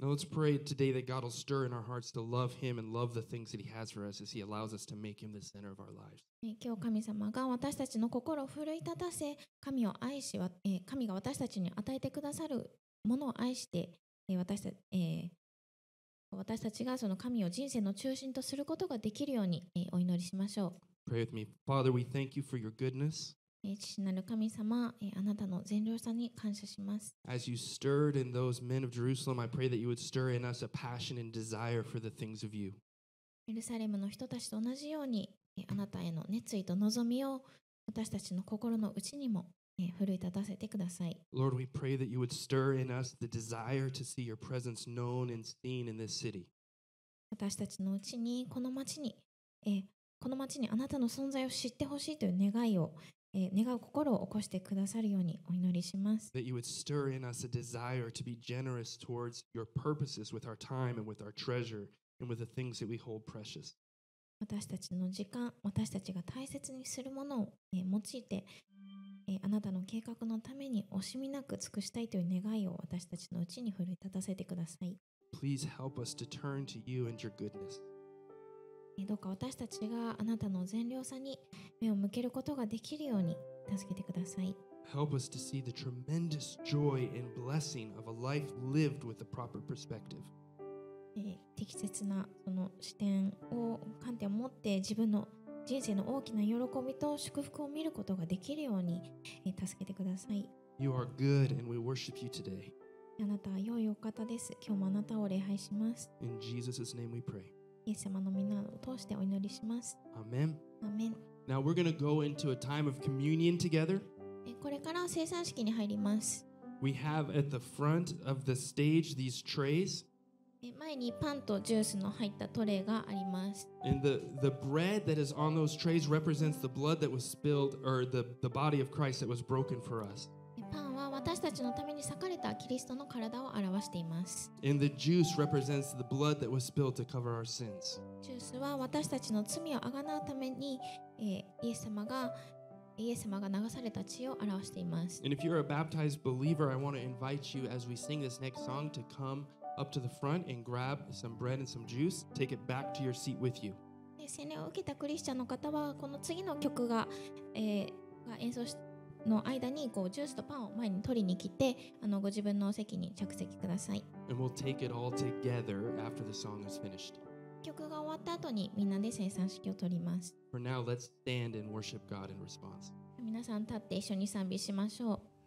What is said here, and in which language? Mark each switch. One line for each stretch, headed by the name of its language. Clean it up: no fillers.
English: Now let's pray today that God will stir in our hearts to love Him and love the things that He has for us as He allows us to make Him the center of our lives.
Japanese: 今日神様が私たちの心を奮い立たせ、神を愛し、神が私たちに与えてくださるものを愛して、私たちがその神を人生の中心とすることができるようにお祈りしましょう。
English: Pray with me. Father, we thank you for your goodness.
Japanese: 父なる神様、あなたの善良さに感謝します。
English: As you stirred in those men of Jerusalem, I pray that you would stir in us a passion and desire for the things of you.
Japanese: エルサレムの人たちと同じように、あなたへの熱意と望みを私たちの心の内にも奮い立たせてください。
English: Lord, we pray that you would stir in us the desire to see your presence known and seen in this city.
Japanese: 私たちのうちに、この町にあなたの存在を知ってほしいという願いを願う心を起こしてくださるようにお祈りします。
English: That you would stir in us a desire to be generous towards your purposes with our time and with our treasure and with the things that we hold precious.
Japanese: 私たちの時間、私たちが大切にするものを用いて、あなたの計画のために惜しみなく尽くしたいという願いを私たちのうちに奮い立たせてください。
English: Please help us to turn to you and your goodness.
Japanese: どうか私たちがあなたの善良さに目を向けることができるように助けてください。
English: Help us to see the tremendous joy and blessing of a life lived with a proper perspective.
Japanese: 適切なその視点を観点を持って自分の人生の大きな喜びと祝福を見ることができるように助けてください。
English: You are good and we worship you today.
Japanese: あなたは良いお方です。今日もあなたを礼拝します。
English: In Jesus' name we pray.
Japanese: イエス様の皆を通してお祈りします。アメン。アメン。
English: Now we're going to go into a time of communion together.
Japanese: これから聖餐式に入ります。
English: We have at the front of the stage these trays.
Japanese: 前にパンとジュースの入ったトレーがあります。
English: And the bread that is on those trays represents the blood that was spilled, or the body of Christ that was broken for us.
Japanese: パンは私たちのために裂かれたキリストの体を表しています。
English: And the juice represents the blood that was spilled to cover our sins.
Japanese: ジュースは私たちの罪を贖うために、イエス様が、イエス様が流された血を表しています。
English: And if you're a baptized believer, I want to invite you as we sing this next song to come up to the front and grab some bread and some juice. Take it back to your seat with you.
Japanese: 洗礼を受けたクリスチャンの方はこの次の曲が、演奏の間にこうジュースとパンを前に取りに来て、ご自分のお席に着席ください。
English: And we'll take it all together after the song is finished.
Japanese: 曲が終わった後にみんなで聖餐式を取ります。
English: For now, let's stand and worship God in response.
Japanese: 皆さん立って一緒に賛美しましょう。